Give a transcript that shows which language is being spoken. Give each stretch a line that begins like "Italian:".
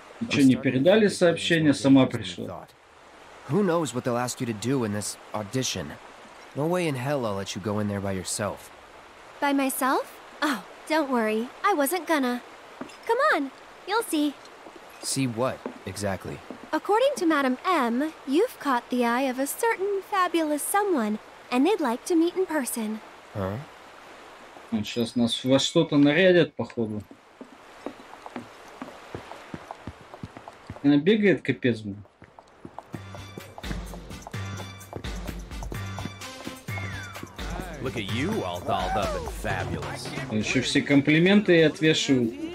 Russian: Что, не передали сообщение, сама пришла?
English: Who knows what they'll ask you to do in this audition? No way in hell I'll let you go in there by yourself. By myself? Oh, don't worry. I wasn't gonna. Come on, you'll see. See what, exactly? According to Madame M, you've caught the eye of a certain fabulous someone, and they'd like to meet in person. Huh?
Russian: Сейчас нас во что-то нарядят, походу. Она бегает, капец, блин.
English: Look at you, all dolled up and fabulous.
Russian: Еще все комплименты отвешу.